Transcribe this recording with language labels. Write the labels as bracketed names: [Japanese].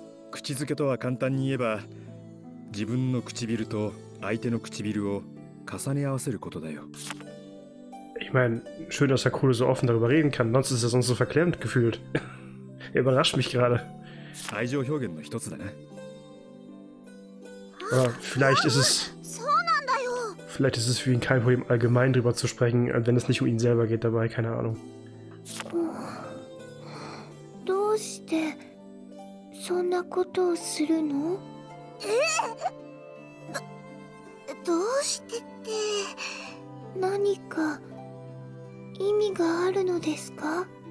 [Japanese] 口づけとは簡単に言えば、自分の唇と相手の唇を重ね合わせることだよ。 [German] Ich meine, schön, dass Herr Kohle so offen darüber reden kann. Sonst ist er sonst so verklemmt gefühlt. Überrascht mich gerade. [Japanese] 愛情表現の一つだね。 [German] Aber vielleicht ist es. Vielleicht ist es für ihn kein Problem, allgemein drüber zu sprechen, wenn es nicht um ihn selber geht dabei, keine Ahnung. [Japanese] どうしてそんなことをするの？どうしてって何か意味があるのですか？